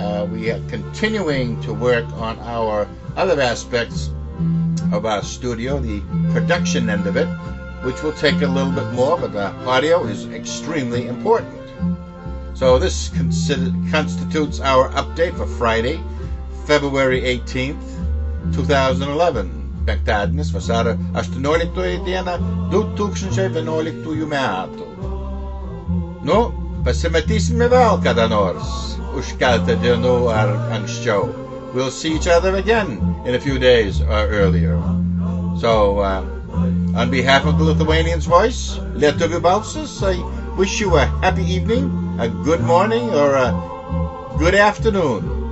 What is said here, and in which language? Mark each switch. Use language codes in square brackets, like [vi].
[en] We are continuing to work on our other aspects of our studio, the production end of it, which will take a little bit more, but the audio is extremely important. So this constitutes our update for Friday, February 18th, 2011. [lt] Penktadienis, vasario 18 diena, 2011 metų. Nu, pasimatysime vėl kada nors, už keletą dienų ar anksčiau. [en] We'll see each other again in a few days or earlier. So, on behalf of the Lithuanians voice, Lietuvių balsas, I wish you a happy evening. A good morning or a good afternoon.